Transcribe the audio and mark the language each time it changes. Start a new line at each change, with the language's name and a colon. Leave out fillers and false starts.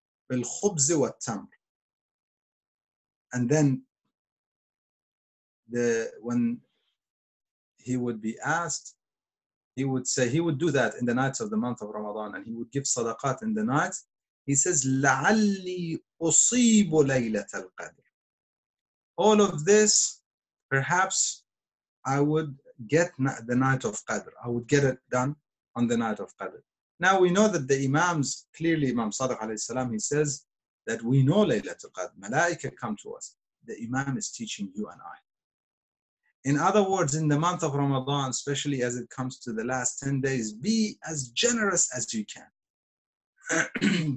Arabic: بالخبز والتمر.
English: And then, when he would be asked, he would say, he would do that in the nights of the month of Ramadan, and he would give sadaqat in the nights. He says,
Arabic: لعلي أصيب ليلة القدر.
English: All of this, perhaps I would get the night of Qadr. I would get it done on the night of Qadr. Now we know that the imams, clearly Imam Sadiq alayhi salam, he says that we know Laylatul Qadr. Malaika come to us. The imam is teaching you and I. In other words, in the month of Ramadan, especially as it comes to the last 10 days, be as generous as you can.